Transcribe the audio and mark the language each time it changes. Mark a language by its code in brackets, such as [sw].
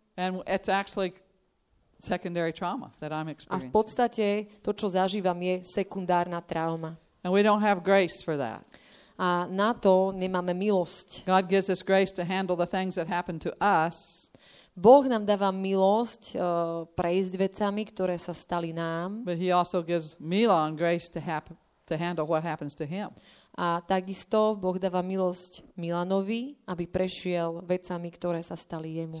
[en] And it's actually secondary trauma that I'm experiencing. [sk] A v podstate to, čo zažívam, je sekundárna trauma. [en] And we don't have grace for that. [sk] A na to nemáme milosť. [en] God gives us grace to handle the things that happen to us. [sk] Boh nám dáva milosť prejsť vecami, ktoré sa stali nám. [en] But he also gives Milan grace to handle what happens to him. [sk] A takisto Boh dáva milosť Milanovi, aby prešiel vecami, ktoré sa stali jemu.